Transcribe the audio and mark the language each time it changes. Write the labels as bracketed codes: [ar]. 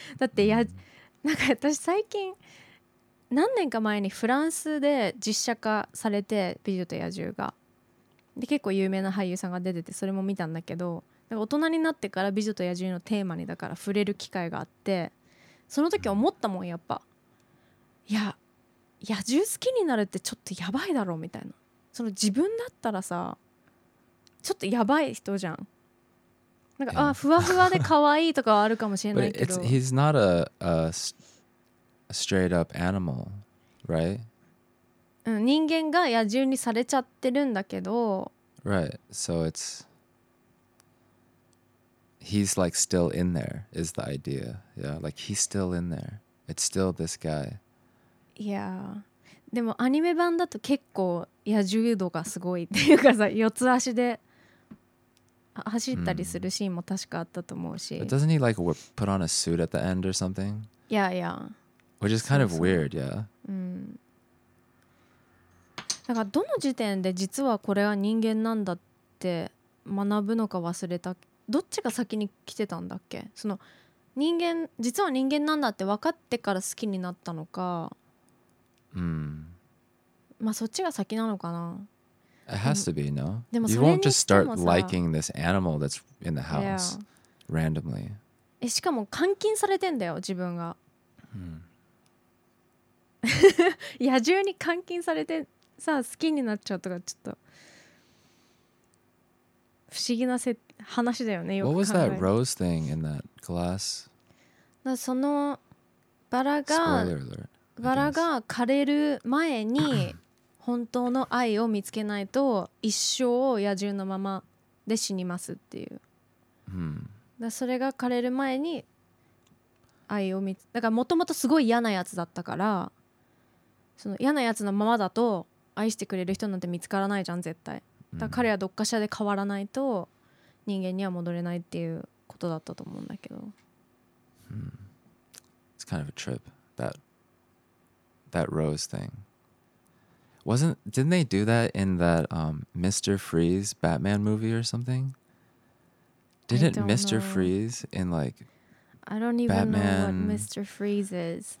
[ja] だってや、うん、なんか私最近何年か前にフランスで実写化されて美女と野獣がで結構有名な俳優さんが出ててそれも見たんだけど、だから大人になってから美女と野獣のテーマにだから触れる機会があって、その時思ったもん、やっぱいや野獣好きになるってちょっとやばいだろうみたいな、その自分だったらさちょっとやばい人じゃん、なんか、yeah. あふわふわで可愛いとかはあるかもしれないけど [en] But he's not a, a straight up animal, right? [ja] うん、人間が野獣にされちゃってるんだけど [en] Right, so it's He's like still in there is the idea, yeah, like he's still in there, it's still this guy [ja] いやでもアニメ版だと結構野獣度がすごいっていうかさ、四つ足で走ったりするシーンも確かあったと思うし、 [en] But doesn't he like put on a suit at the end or something? Yeah, yeah. Which is kind of weird, yeah. [ja] うん。だからどの時点で実はこれは人間なんだって学ぶのか忘れた。どっちが先に来てたんだっけ？その人間実は人間なんだって分かってから好きになったのか。うん。まあそっちが先なのかな。 [en] It has to be, no? You won't just start liking this animal that's in the house randomly. [ja] しかも監禁されてんだよ、自分が。野獣に監禁されてさ、好きになっちゃうとか、ちょっと不思議な話だよね、よく考え [en] What was that rose thing in that glass? [ja] だそのバラが [en] Spoiler alert, I guess. [ja] バラが枯れる前に本当の愛を見つけないと一生を野獣のままで死にますっていう、 hmm. だそれが枯れる前に愛を見つだからもともとすごい嫌なやつだったから、その嫌なやつのままだと愛してくれる人なんて見つからないじゃん絶対、だから彼はどっかしらで変わらないと人間には戻れないっていうことだったと思うんだけど、 hmm. [en] It's kind of a trip that rose thingDidn't they do that in that Mr. Freeze Batman movie or something? Didn't Mr. Freeze in like I don't even Batman, know what Mr. Freeze is.